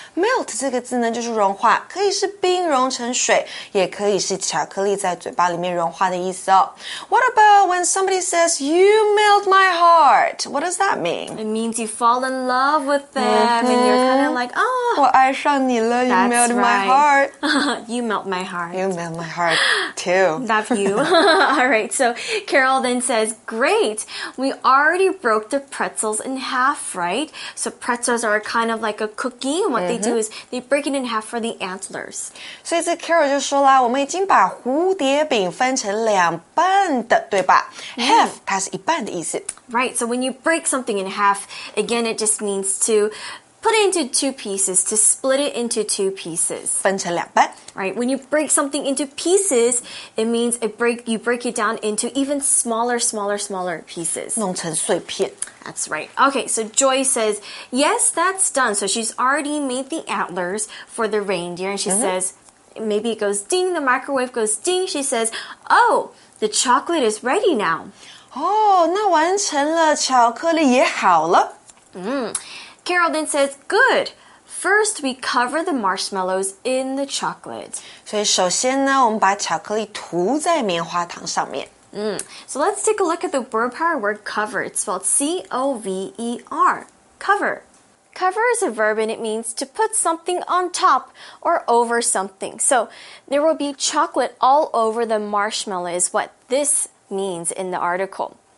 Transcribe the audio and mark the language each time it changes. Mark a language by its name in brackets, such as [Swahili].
[Chinese] Melt 这个字呢就是融化，可以是冰融成水，也可以是巧克力在嘴巴里面融化的意思哦。 [English] What about when somebody says, you melt my heart? What does that mean? It means you fall in love with them, mm-hmm. and you're kind of like, oh, [Chinese] 我爱上你了 [English] you melt my heart. You melt my heart. You melt my heart too. Love you. All right, so Carol then says, great, we already broke the pretzels in half, right? So pretzels are kind of like a cookie, and what they do is they break it in half for the antlers. [Chinese] 所以这 Carol 就说了，我们已经把蝴蝶饼分成两半的，对吧？ Half, 它是一半的意思。 [English] Right, so when you break something in half, again, it just means to put it into two pieces, to split it into two pieces. [Chinese] 分成两半。 [English] Right, when you break something into pieces, it means you break it down into even smaller, smaller, smaller pieces. [Chinese] 弄成碎片。 [English] That's right. Okay, so Joy says, yes, that's done. So she's already made the antlers for the reindeer. And she says, maybe it goes ding, the microwave goes ding. She says, oh,The chocolate is ready now. [Chinese] Oh, 那完成了，巧克力也好了。 [English] Carol then says, good. First, we cover the marshmallows in the chocolate. [Chinese] 所以首先呢，我们把巧克力涂在棉花糖上面。 [English] So let's take a look at the verb power word cover. It's spelled C-O-V-E-R. Cover. cover is a verb and it means to put something on top or over something. So there will be chocolate all over the marshmallow is what this means in the article.